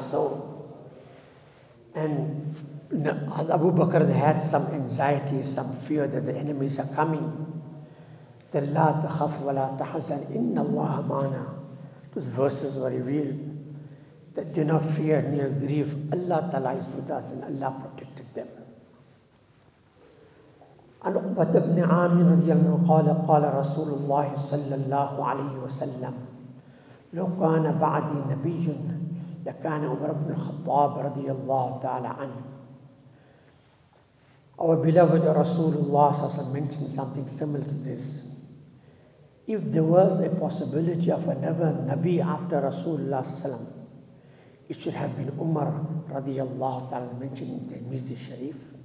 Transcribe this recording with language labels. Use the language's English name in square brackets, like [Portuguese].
[English] So, and Abu Bakr had some anxiety, some fear that the enemies are coming. [Arabic] The la takhaf wa la tahzan inna Allah ma'ana. [English] Those verses were revealed that do not fear nor grief. Allah Ta'ala is with us and Allah protected them. [Arabic] عن عقبة بن عامر رضي الله عنه قال قال رسول الله صلى الله عليه وسلم لو كان بعدي نبي لكان عمر بن الخطاب رضي الله تعالى عنه. [English] Our beloved Rasulullah [Arabic] صلى الله عليه وسلم [English] mentioned something similar to this. If there was a possibility of another Nabi after Rasulullah [Arabic] صلى الله عليه وسلم, [English] it should have been Umar [Arabic] رضي الله تعالى عنه, [English] mentioned in the Tirmidhi Sharif.